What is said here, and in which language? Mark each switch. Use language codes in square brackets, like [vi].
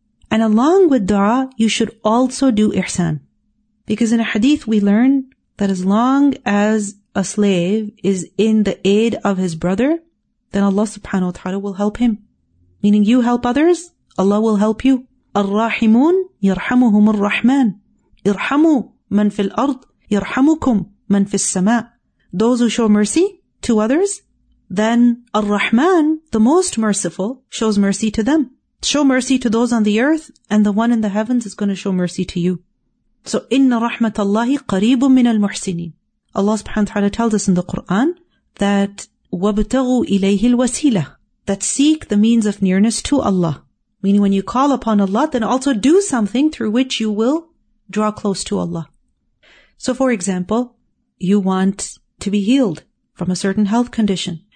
[en] And along with dua, you should also do ihsan. Because in a hadith we learn that as long as a slave is in the aid of his brother, then Allah subhanahu wa ta'ala will help him. Meaning you help others, Allah will help you. [ar] الرحمون يرحمهم الرحمن ارحموا من في الأرض يرحمكم من في السماء. [en] Those who show mercy to others, then الرحمن, the most merciful, shows mercy to them. Show mercy to those on the earth, and the one in the heavens is going to show mercy to you. [ar] So إن رحمة الله قريب من المحسنين. [en] Allah subhanahu wa ta'ala tells us in the Quran that [ar] وَابْتَغُوا إِلَيْهِ الْوَسِيلَةِ, [en] that seek the means of nearness to Allah. Meaning when you call upon Allah, then also do something through which you will draw close to Allah. So for example, you want to be healed from a certain health condition.